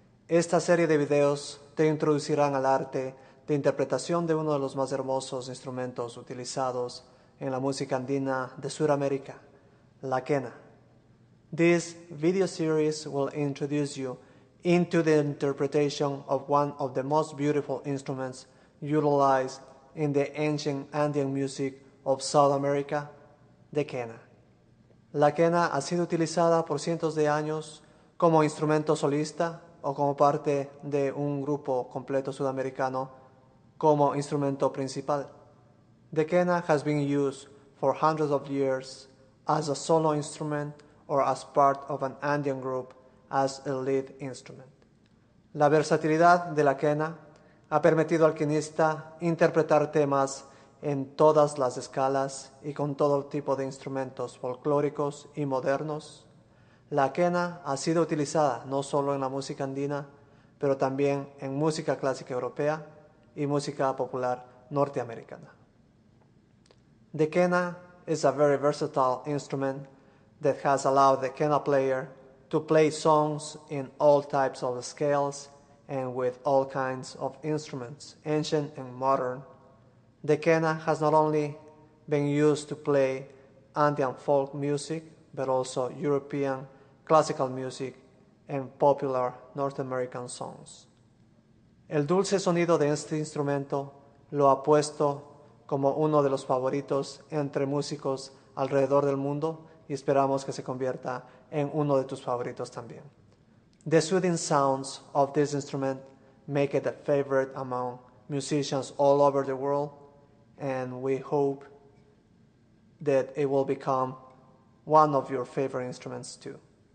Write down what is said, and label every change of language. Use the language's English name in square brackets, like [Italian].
[Spanish] Esta serie de videos te introducirán al arte de interpretación de uno de los más hermosos instrumentos utilizados en la música andina de Sudamérica, la Quena. [English] This video series will introduce you into the interpretation of one of the most beautiful instruments utilized in the ancient Andean music of South America, the Quena. [Spanish] La quena ha sido utilizada por cientos de años como instrumento solista o como parte de un grupo completo sudamericano como instrumento principal. [English] The quena has been used for hundreds of years as a solo instrument or as part of an Andean group as a lead instrument. [Spanish] La versatilidad de la quena ha permitido al quenista interpretar temas en todas las escalas y con todo tipo de instrumentos folclóricos y modernos. La quena ha sido utilizada no solo en la música andina, pero también en música clásica europea y música popular norteamericana. [English] The quena is a very versatile instrument that has allowed the quena player to play songs in all types of scales and with all kinds of instruments, ancient and modern. The quena has not only been used to play Andean folk music, but also European classical music and popular North American songs. [Spanish] El dulce sonido de este instrumento lo ha puesto como uno de los favoritos entre músicos alrededor del mundo y esperamos que se convierta en uno de tus favoritos también. [English] The soothing sounds of this instrument make it a favorite among musicians all over the world. And we hope that it will become one of your favorite instruments too.